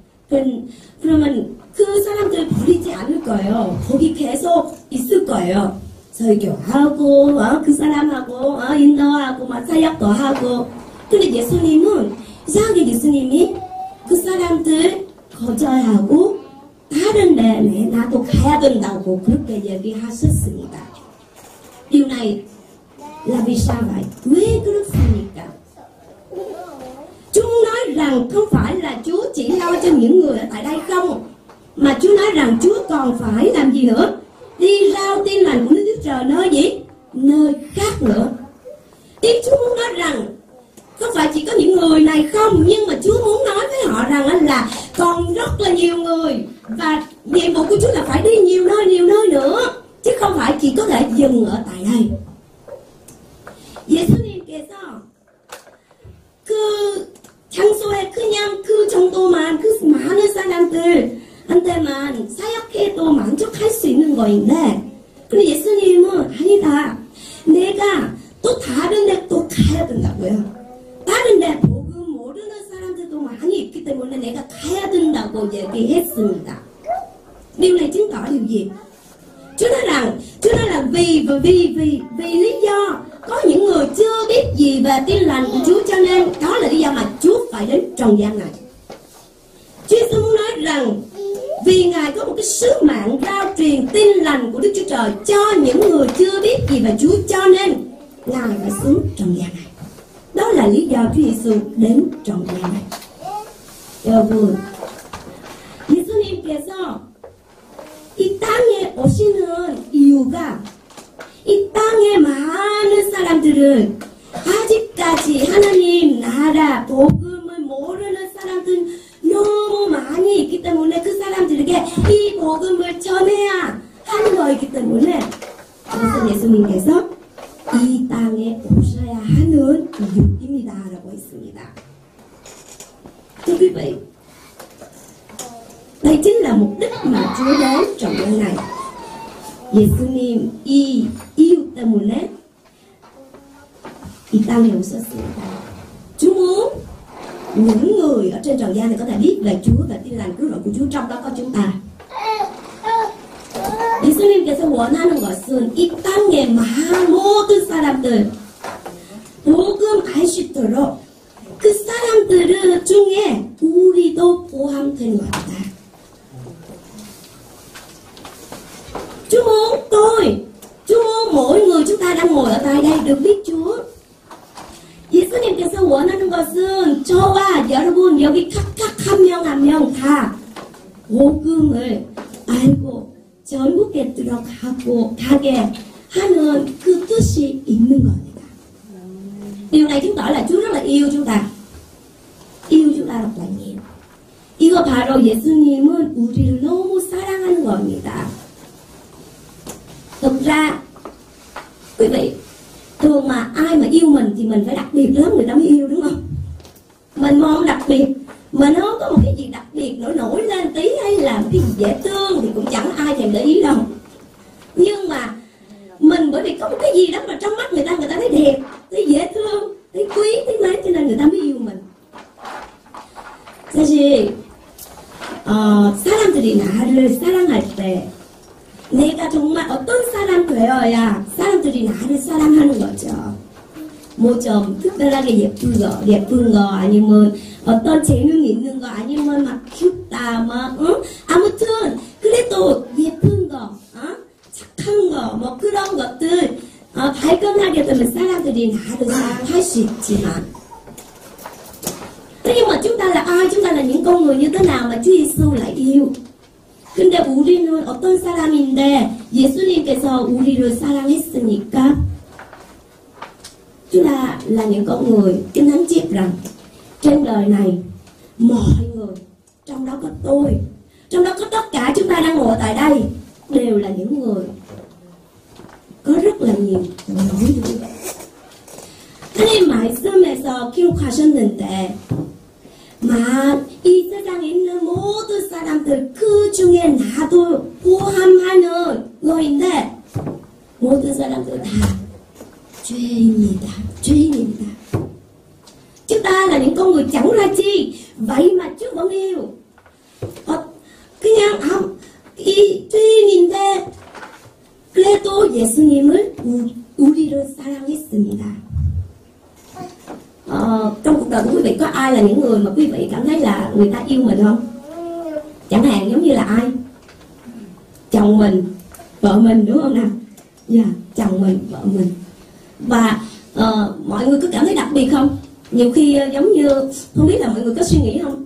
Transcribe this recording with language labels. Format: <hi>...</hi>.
<vi>Còn mình cứ xa làm từ bỏ đi chả ảnh được cởi ổ</vi> <ko>hồ kì kế xô ít sư cởi ổ 설교하고 그 사람하고 인도하고 막 사역도 하고 근데 예수님은 이상하게 예수님이 그 사람들 거절하고 다른 데 나도 가야 된다고 그렇게 얘기하셨습니다. 이유는 라비샤바이 왜 그렇습니까?</ko> <vi>Chúng nói rằng không phải là Chúa chỉ lo cho những người ở tại đây không, mà Chúa nói rằng Chúa còn phải làm gì nữa? Đi rao tin lành của Đức Chúa Trời nơi gì? Nơi khác nữa. Tiếng Chúa muốn nói rằng không phải chỉ có những người này không, nhưng mà Chúa muốn nói với họ rằng là còn rất là nhiều người, và nhiệm vụ của Chúa là phải đi nhiều nơi nữa, chứ không phải chỉ có thể dừng ở tại đây.</vi> <ko>Giê-xu-ni-ke-so 그 장소에 그냥 그 정도만 그 많은 사람들한테만 사역해도 만족할 수 있는 거인데, 그리고 예수님은 아니다. 내가 또 다른 데 또 가야 된다고요. 다른 데 복음 모르는 사람들도 많이 있기 때문에 내가 가야 된다고 얘기했습니다. 그리고 내가 지금 가야 되기.</ko> <vi>주나랑 vì lý do có những người chưa biết gì về tin lành của Chúa, cho nên đó là lý do mà Chúa phải đến trần gian này. Chúa Jesus muốn nói rằng vì Ngài có một cái sứ mạng rao truyền tin lành của Đức Chúa Trời cho những người chưa biết gì về Chúa, cho nên Ngài phải xuống trần gian này. Đó là lý do Chúa Jesus đến trần gian này. Chào buổi.</vi> <ko>Jesus님께서 이 땅에 오시는 이유가 이 땅에 많은 사람들은 아직까지 하나님 나라 복음을 모르는 사람들 너무 많이 있기 때문에 그 사람들에게 이 복음을 전해야 하는 거이기 때문에 그래서 예수님께서 이 땅에 오셔야 하는 이유입니다 라고 했습니다. 여러분</ko> <vi>đây chính là mục đích mà Chúa đến trong gian này.</vi> <ko>Jesus님 이 이유 때문에 이 땅에 오셨습니다.</ko> <vi>Chúa muốn những người ở trên trần gian này có thể biết về Chúa và tin lành cứu rỗi của Chúa, trong đó có chúng ta.</vi> <ko>Jesus님께서 원하는 것은 이 땅에 모든 사람들 복음 알 수 있도록 그 사람들 중에 우리도 포함된 것이다.</ko> <vi>Chúa muốn tôi, Chúa muốn mỗi người chúng ta đang ngồi ở tại đây được biết Chúa.</vi> <ko>Jesus님께서 원하는 것은 저와 여러분 여기 각각 한명한명 다 복음을 알고 전국에 들어가고 가게 하는 그 뜻이 있는 겁니다.</ko> <vi>Điều này chứng tỏ là Chúa rất là yêu chúng ta. Yêu chúng ta rất là nhiều.</vi> <ko>이거 바로 예수님은 우리를 너무 사랑하는 겁니다.</ko> <vi>Thực ra, quý vị, thường mà ai mà yêu mình thì mình phải đặc biệt lắm người ta mới yêu, đúng không? Mình mong đặc biệt, mình không có một cái gì đặc biệt nổi nổi lên tí hay là một cái gì dễ thương thì cũng chẳng ai thèm để ý đâu. Nhưng mà mình bởi vì có một cái gì đó mà trong mắt người ta thấy đẹp, thấy dễ thương, thấy quý, thấy mến, cho nên người ta mới yêu mình. Sao gì?</vi> <ko>사람들이 나를 사랑할 때 내가 정말 어떤 사람 되어야 사람들이 나를 사랑하는 거죠. 뭐 좀 특별하게 예쁜 거, 아니면 어떤 재능 있는 거, 아니면 막 귀엽다, 막, 응? 아무튼, 그래도 예쁜 거, 착한 거, 뭐 그런 것들, 발견하게 되면 사람들이 나를 사랑할 수 있지만. 그러니까</ko> <vi>chúng ta là những con người như thế nào mà Chúa Giêsu lại yêu.</vi> <ko>근데 우리는 어떤 사람인데 예수님께서 우리를 사랑했으니까</ko> <vi>chúng ta là những con người kinh thánh chép rằng trên đời này mọi người trong đó có tôi, trong đó có tất cả chúng ta đang ngồi tại đây đều là những người có rất là nhiều lỗi lầm.</vi> <ko>하나님 말씀에서 기록하셨는데 마, 이 세상에 있는 모든 사람들 그 중에 나도 포함하는 거인데 모든 사람들 다 죄인이다. 죄인입니다.</ko> <vi>Chúng ta là những con người chẳng ra chi. Vậy mà Chúa vẫn yêu.</vi> <ko>그냥 이 죄인인데 그래도 예수님을 우리를 사랑했습니다.</ko> <vi>Trong cuộc đời của quý vị có ai là những người mà quý vị cảm thấy là người ta yêu mình không? Chẳng hạn giống như là ai? Chồng mình, vợ mình, đúng không nào? Yeah, chồng mình, vợ mình. Và mọi người có cảm thấy đặc biệt không? Nhiều khi giống như, không biết là mọi người có suy nghĩ không?</vi>